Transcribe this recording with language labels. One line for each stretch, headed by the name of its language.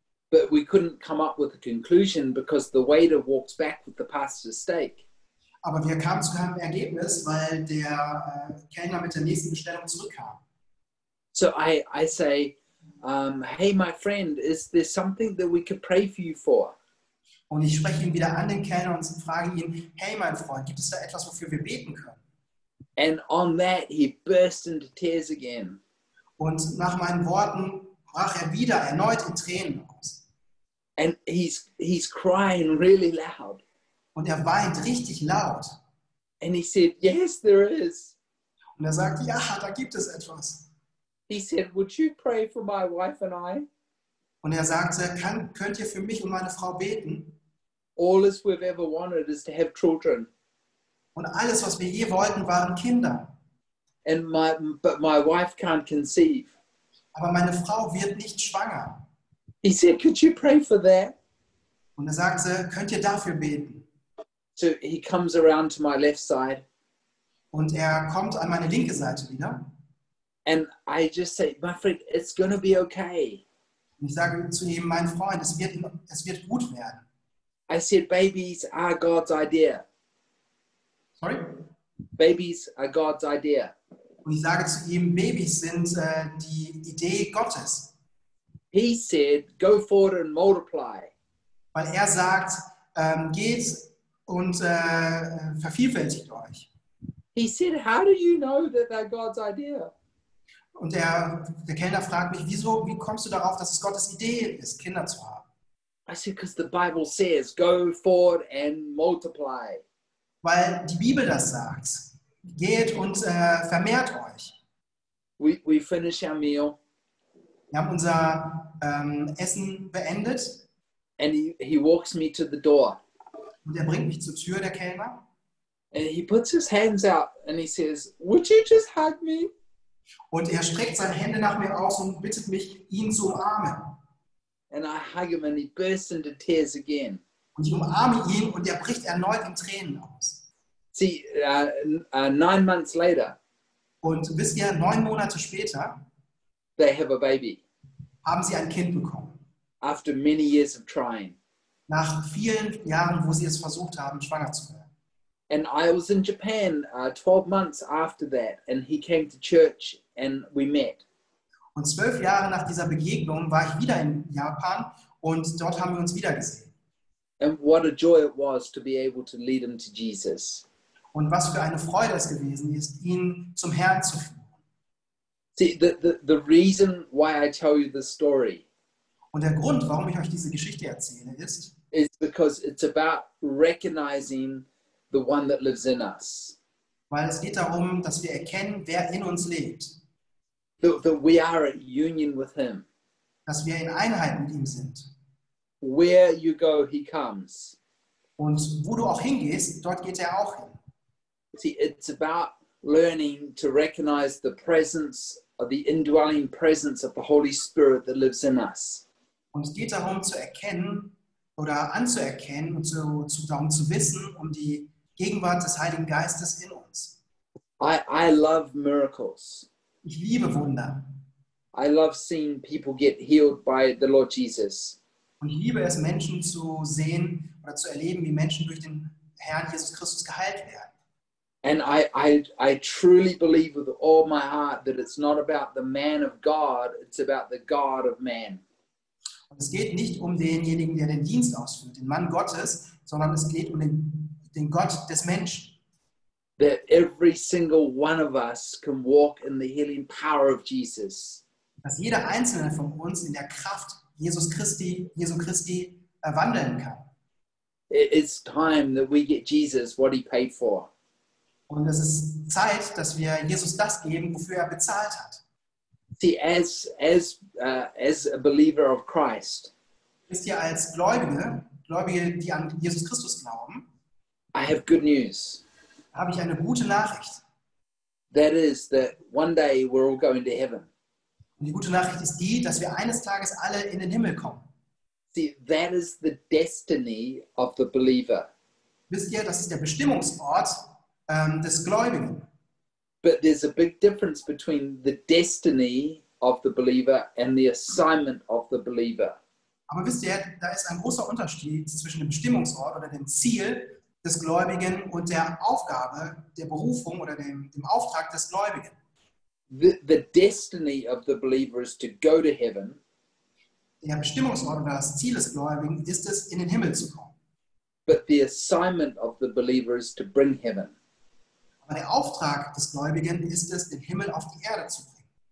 English: But we couldn't come up with a conclusion because the waiter walks back with the pastor's steak.
German: Aber wir kamen zu keinem Ergebnis, weil der Kellner mit der nächsten Bestellung zurückkam.
English: So I say, hey, my friend, is there something that we could pray for you for?
German: Und ich spreche ihn wieder an den Kellner und frage ihn, hey, mein Freund, gibt es da etwas, wofür wir beten können?
English: And on that, he burst into tears again.
German: Und nach meinen Worten brach er wieder erneut in Tränen aus.
English: And he's crying really loud.
German: Und er weint richtig laut.
English: And he said, yes, there is.
German: Und er sagt, ja, da gibt es etwas.
English: He said, would you pray for my wife and I?
German: Und er sagte, könnt ihr für mich und meine Frau beten?
English: All this we've ever wanted is to have children.
German: Und alles, was wir je wollten, waren Kinder.
English: And but my wife can't conceive.
German: Aber meine Frau wird nicht schwanger.
English: He said, could you pray for that?
German: Und er sagte, könnt ihr dafür beten?
English: So he comes around to my left side.
German: Und er kommt an meine linke Seite wieder.
English: And I just say, my friend, it's going to be okay.
German: Ich sage zu ihm, mein Freund, es wird gut werden.
English: I said, babies are God's idea. Sorry? Babies are God's idea.
German: Und ich sage zu ihm, Babys sind die Idee Gottes.
English: He said, go forward and multiply.
German: Weil er sagt, geht und vervielfältigt euch.
English: He said, how do you know that they're God's idea?
German: Und der Kellner fragt mich, wie kommst du darauf, dass es Gottes Idee ist, Kinder zu haben?
English: I said, because the Bible says, go forward and multiply.
German: Weil die Bibel das sagt. Geht und vermehrt euch.
English: We finish our meal.
German: Wir haben unser Essen beendet.
English: And he walks me to the door.
German: Und er bringt mich zur Tür, der Kellner.
English: And he puts his hands out and he says, would you just hug me?
German: Und er streckt seine Hände nach mir aus und bittet mich, ihn zu umarmen.
English: And I hug him and he bursts into tears again.
German: Und ich umarme ihn und er bricht erneut in Tränen aus.
English: See, 9 months later.
German: Und wisst ihr, 9 Monate später.
English: They have a baby.
German: Haben sie ein Kind bekommen.
English: After many years of trying.
German: Nach vielen Jahren, wo sie es versucht haben, schwanger zu werden.
English: And I was in Japan 12 months after that, and he came to church and we met.
German: Und 12 Jahre nach dieser Begegnung war ich wieder in Japan und dort haben wir uns wieder gesehen.
English: And what a joy it was to be able to lead him to Jesus.
German: Und was für eine Freude es gewesen ist, ihn zum Herrn zu führen.
English: See, the reason why I tell you this story.
German: Und der Grund, warum ich euch diese Geschichte erzähle, ist.
English: Is because it's about recognizing the one that lives in us.
German: Weil es geht darum, dass wir erkennen, wer in uns lebt.
English: That we are at union with him.
German: Dass wir in Einheit mit ihm sind.
English: Where you go, he comes.
German: Und wo du auch hingehst, dort geht er auch hin.
English: See, it's about learning to recognize the presence of the indwelling presence of the Holy Spirit that lives in us.
German: Und es geht darum zu erkennen oder anzuerkennen und zu wissen, um die Gegenwart des Heiligen Geistes in uns.
English: I love miracles.
German: Ich liebe Wunder.
English: I love seeing people get healed by the Lord Jesus.
German: Und ich liebe es, Menschen zu sehen oder zu erleben, wie Menschen durch den Herrn Jesus Christus geheilt werden.
English: And I truly believe with all my heart that it's not about the man of God, it's about the God of man.
German: Und es geht nicht um denjenigen, der den Dienst ausführt, den Mann Gottes, sondern es geht um den Gott des Menschen.
English: That every single one of us can walk in the healing power of Jesus.
German: Dass jeder einzelne von uns in der Kraft Jesu Christi wandeln kann.
English: It's time that we get Jesus what he paid for.
German: Und es ist Zeit, dass wir Jesus das geben, wofür er bezahlt hat.
English: See, as a believer of Christ.
German: Wisst ihr, als Gläubige, die an Jesus Christus glauben.
English: I have good news.
German: Habe ich eine gute Nachricht.
English: That is that one day we're all going to heaven.
German: Und die gute Nachricht ist die, dass wir eines Tages alle in den Himmel kommen.
English: See, that is the destiny of the believer.
German: Wisst ihr, das ist der Bestimmungsort des Gläubigen.
English: But there's a big difference between the destiny of the believer and the assignment of the believer.
German: Aber wisst ihr, da ist ein großer Unterschied zwischen dem Bestimmungsort oder dem Ziel des Gläubigen und der Aufgabe, der Berufung oder dem Auftrag des Gläubigen.
English: The destiny of the believer is to go to heaven.
German: Der Bestimmungsort oder das Ziel des Gläubigen ist es, in den Himmel zu kommen.
English: But the assignment of the believer is to bring heaven.
German: Aber der Auftrag des Gläubigen ist es, den Himmel auf die Erde zu bringen.